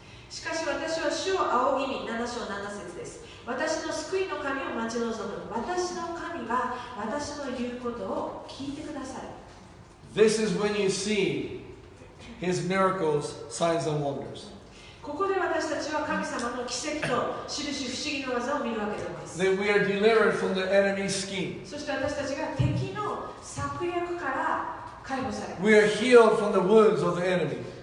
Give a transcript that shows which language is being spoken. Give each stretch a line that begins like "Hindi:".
Japanese: しかし私は主を仰ぎ見、7章7節です。私の救いの神を待ち望む。私の神は私の言うことを聞いてください。
English: This is when you see His miracles, signs and wonders.
Japanese: ここで私たちは神様の奇跡と印不思議の技を見るわけです。
English: Then we are delivered from the enemy's scheme.
Japanese: そして私たちが敵の策略から解放されます。
English: We are healed from the wounds of the enemy.